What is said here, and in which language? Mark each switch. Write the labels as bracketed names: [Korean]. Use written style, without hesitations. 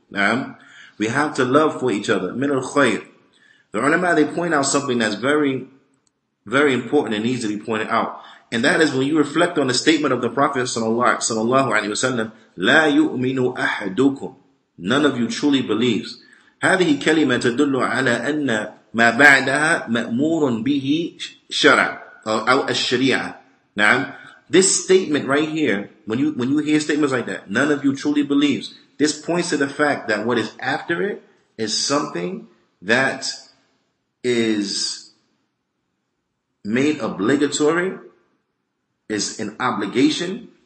[English] Now, we have to love for each other. [Arabic] Min al-khayr. [English] The ulama, they point out something that's very, very important and needs to be pointed out. And that is when you reflect on the statement of the Prophet sallallahu alayhi wa sallam, [Arabic] لا يؤمن أحدكم. [English] None of you truly believes. [Arabic] هذه كلمة تدل على أن ما بعدها مأمور به شرع أو الشريعة. [English] Now, this statement right here, when you hear statements like that, none of you truly believes, this points to the fact that what is after it is something that is made obligatory, is an obligation.